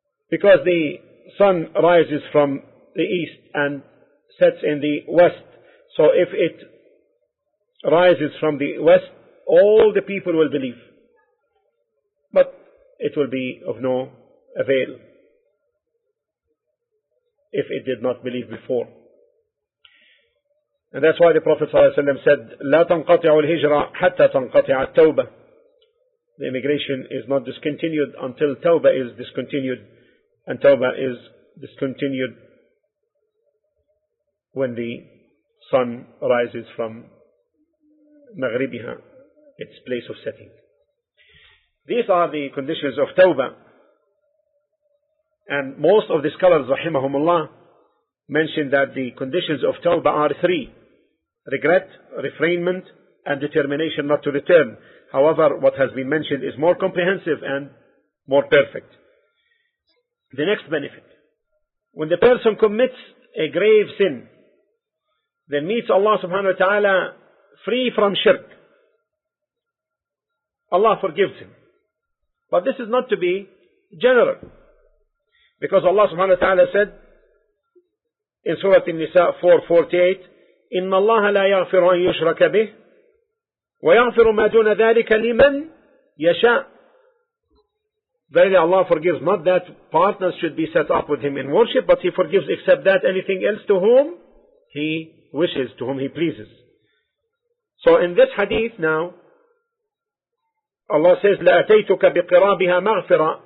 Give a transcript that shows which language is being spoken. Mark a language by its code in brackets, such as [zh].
[en] Because the sun rises from the east and sets in the west. So if it rises from the west, all the people will believe. But it will be of no avail if it did not believe before. And that's why the Prophet ﷺ said, [ar] لا تنقطع الهجرة حتى تنقطع التوبة. [en] The immigration is not discontinued until Tawbah is discontinued. And Tawbah is discontinued when the sun rises from Maghribiha, its place of setting. These are the conditions of Tawbah. And most of the scholars, rahimahumullah, mentioned that the conditions of Tawbah are three. Regret, refrainment, and determination not to return. However, what has been mentioned is more comprehensive and more perfect. The next benefit. When the person commits a grave sin, then meets Allah subhanahu wa ta'ala free from shirk, Allah forgives him. But this is not to be general. Because Allah subhanahu wa ta'ala said in Surah An-Nisa 4:48, [ar] إن الله لا يغفر أن يشرك به ويغفر ما دون ذلك لمن يشاء. [en] Verily Allah forgives not that partners should be set up with him in worship, but he forgives except that anything else to whom he wishes, to whom he pleases. So in this hadith now, Allah says, [ar] لأتيتك بقرابها مغفرة.